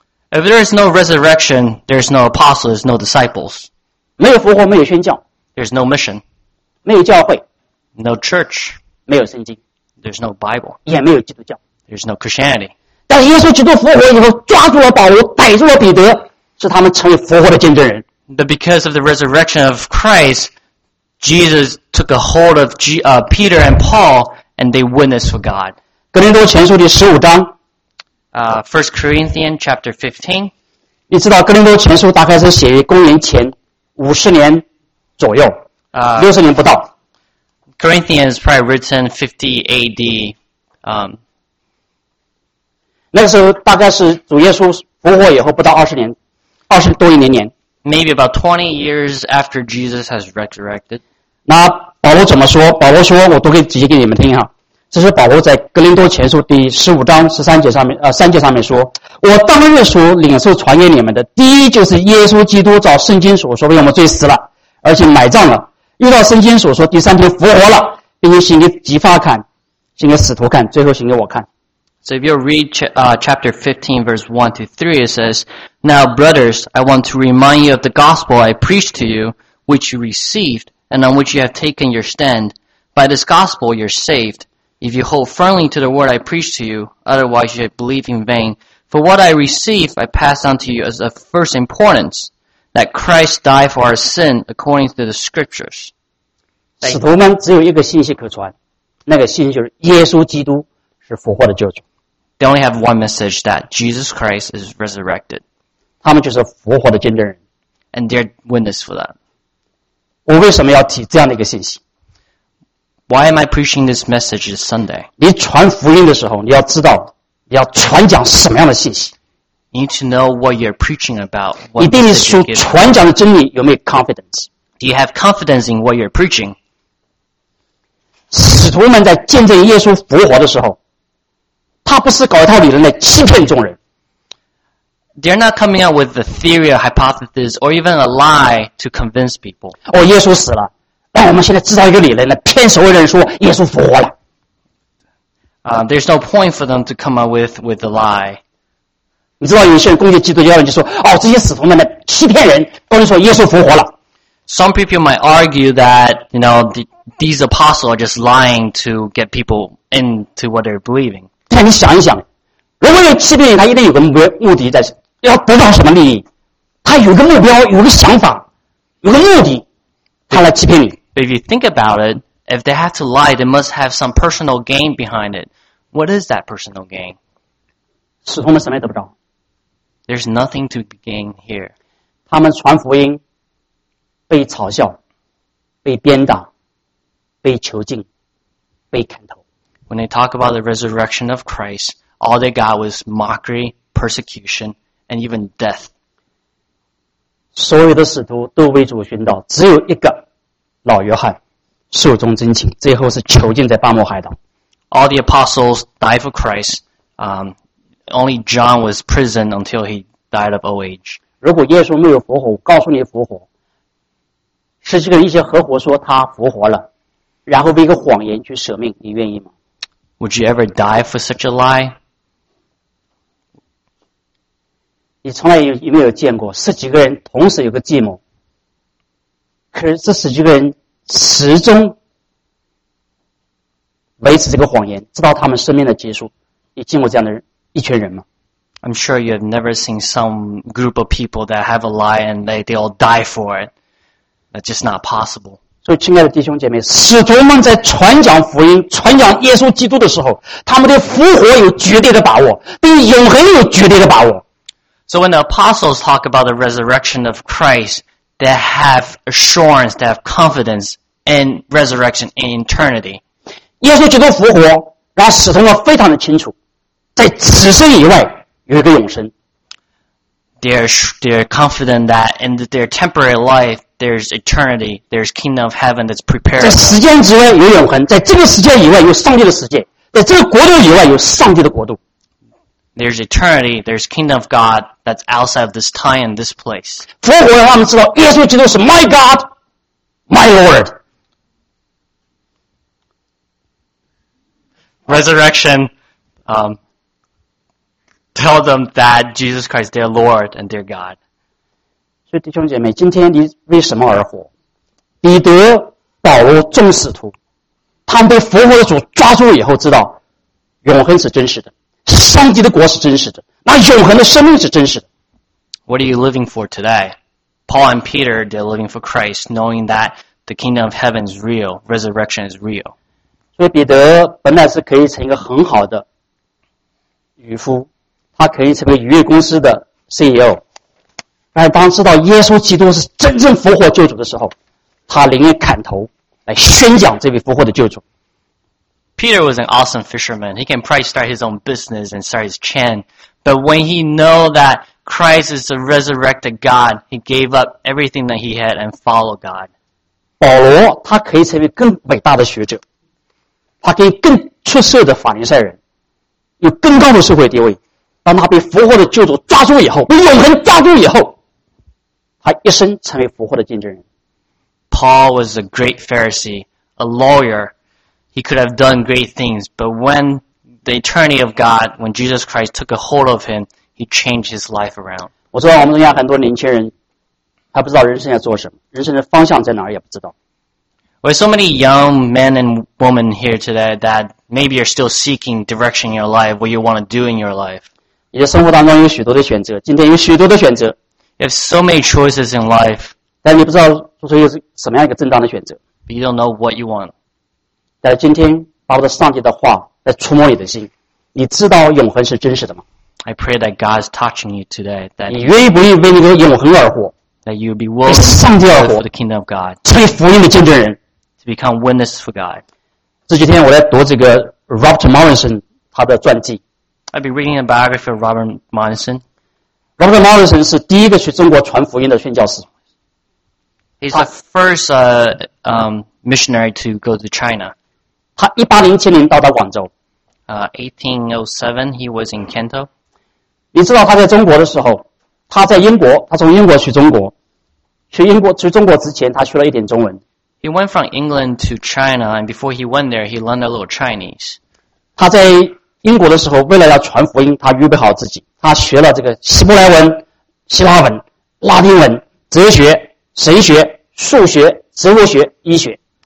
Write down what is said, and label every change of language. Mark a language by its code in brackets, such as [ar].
[en] If there is no resurrection, there is no apostles, no disciples. [zh] 没有复活，没有宣教。 [en] There's no mission. [zh] 没有教会。 [en] No church. [zh] 没有圣经。 [en] There's no Bible. [zh] 也没有基督教。 [en] There's no Christianity. [zh] 但耶稣基督复活以后抓住了保罗，逮住了彼得，使他们成为复活的见证人。 [en] But because of the resurrection of Christ, Jesus took a hold of Peter and Paul, and they witnessed for God. [zh] 哥林多前书第十五章。 [en] First Corinthians chapter 15. [zh] 你知道哥林多前书大概是写于公元前五十年。左右六十年不到。 [en] Corinthians probably written 50 AD. [zh] 那个时候大概是主耶稣复活以后不到二十年，二十多一年年。 [en] Maybe about 20 years after Jesus has resurrected. [zh] 那保罗怎么说？保罗说，我都可以直接给你们听哈。这是保罗在哥林多前书第十五章十三节上面三节上面说，我当日所领受传给你们的，第一就是耶稣基督照圣经所说为我们罪死了。而且埋葬了，又照圣经所说第三天复活了，并且行给基法看，行给使徒看，最后行给我看。 [en] So if you read chapter 15 verse 1-3, it says, Now brothers, I want to remind you of the gospel I preached to you, which you received, and on which you have taken your stand. By this gospel you're saved, if you hold firmly to the word I preached to you, otherwise you believe in vain. For what I received I pass on to you as of first importance. That Christ died for our sin according to the scriptures. [zh] 使徒们只有一个信息可传，那个信息就是耶稣基督是复活的救主。 [en] They only have one message that Jesus Christ is resurrected. [zh] 他们就是复活的见证人。 [en] And they're witness for that. [zh] 我为什么要提这样的一个信息？ [en] Why am I preaching this message this Sunday? [zh] 你传福音的时候，你要知道，你要传讲什么样的信息。 [en] You need to know what you're preaching about. [zh] 你对你所传讲的真理有没有 confidence? [en] Do you have confidence in what you're preaching? [zh] 使徒们在见证耶稣复活的时候，他不是搞一套理论来欺骗众人。 [en] They're not coming out with a theory, a hypothesis, or even a lie to convince people. [zh] 哦，耶稣死了，让我们现在制造一个理论来骗所有人说耶稣复活了。 [en] There's no point for them to come out with a lie. [zh] 你知道有些人攻击基督教人就说哦，这些使徒们的欺骗人都是说耶稣复活了。 [en] Some people might argue that, you know, these apostles are just lying to get people into what they're believing. [zh] 但你想一想，如果有欺骗人，他一定有个目的在，要得到什么利益？他有个目标，有个想法，有个目的，他来欺骗你。 [en] If you think about it, if they have to lie, they must have some personal gain behind it. What is that personal gain? [zh] 使徒们什么也得不着。 [en] There's nothing to gain here. [zh] 他们传福音，被嘲笑，被鞭打，被囚禁，被砍头。 [en] When they talk about the resurrection of Christ, all they got was mockery, persecution, and even death. [zh] 所有的使徒都为主殉道，只有一个老约翰，寿终正寝，最后是囚禁在巴莫海岛。 [en] All the apostles died for Christ. Only John was prisoned until he died of old age. [zh] 如果耶稣没有复活，告诉你复活，是这个一些合伙说他复活了，然后被一个谎言去舍命，你愿意吗？ [en] Would you ever die for such a lie? [zh] 你从来有没有见过十几个人同时有个计谋，可是这十几个人始终维持这个谎言，直到他们生命的结束，你见过这样的一群人吗？ [en] I'm sure you have never seen some group of people that have a lie and they all die for it. That's just not possible. [zh] 所以亲爱的弟兄姐妹，使徒们在传讲福音、传讲耶稣基督的时候，他们对复活有绝对的把握，对永恒有绝对的把握。 [en] So when the apostles talk about the resurrection of Christ, they have assurance, they have confidence in resurrection in eternity. [zh] 耶稣基督复活，让使徒们非常的清楚，在此生以外有一个永生。 [en] They're confident that in their temporary life, there's eternity, there's kingdom of heaven that's prepared. [zh] 在时间之外有永恒，在这个时间以外有上帝的世界，在这个国度以外有上帝的国度。 [en] There's eternity, there's kingdom of God that's outside of this time and this place. [zh] 复活让他们知道耶稣基督是 [en] my God, my Lord. Resurrection, tell them that Jesus Christ is their Lord and their God. [zh] 所以弟兄姐妹，今天你为什么而活？彼得、保罗、众使徒，他们被复活的主抓住以后，知道永恒是真实的，上帝的国是真实的，那永恒的生命是真实的。 [en] What are you living for today? Paul and Peter, they're living for Christ, knowing that the kingdom of heaven is real, resurrection is real. [zh] 所以彼得本来是可以成一个很好的渔夫，他可以成为渔业公司的 CEO， 但当知道耶稣基督是真正复活救主的时候，他宁愿砍头来宣讲这位复活的救主。 [en] Peter was an awesome fisherman. He can probably start his own business and start his chain. But when he know that Christ is the resurrected God, he gave up everything that he had and followed God. [zh] 保罗他可以成为更伟大的学者，他可以更出色的法利赛人，有更高的社会地位。当他被复活的救主抓住以后，被永恒抓住以后，他一生成为复活的见证人。 [en] Paul was a great Pharisee, a lawyer. He could have done great things, but when the eternity of God, when Jesus Christ took a hold of him, he changed his life around. [zh] 我知道我们中间很多年轻人还不知道人生要做什么，人生的方向在哪儿也不知道。 [en] With so many young men and women here today that maybe you're still seeking direction in your life, what you want to do in your life. [zh] 你的生活当中有许多的选择，今天有许多的选择。 [en] You have so many choices in life. [zh] 但你不知道做出一个什么样一个正当的选择。 [en] But you don't know what you want. [zh] 但今天把我的上帝的话来触摸你的心，你知道永恒是真实的吗 [en] ？I pray that God is touching you today. That [zh] 你愿意不愿意为那个永恒而活 [en] ？That you be willing [zh] 为上帝而活 [en] ，for the kingdom of God， [zh] 成为福音的见证人 [en] ，to become witness for God。 [zh] 这几天我在读这个 Robert Morrison 他的传记。 [en] I've been reading a biography of Robert Morrison. [zh] Robert Morrison 是第一个去中国传福音的宣教士。 [en] He's the first missionary to go to China. [zh] 他1807年到达广州。 [en] 1807, he was in Canto. [zh] 你知道他在中国的时候，他在英国，他从英国去中国，去英国去中国之前，他学了一点中文。 [en] He went from England to China, and before he went there, he learned a little Chinese. [zh] 他在英国的时候，为了要传福音，他预备好自己。他学了这个希伯来文、希腊文、拉丁文、哲学、神学、数学、植物学、医学。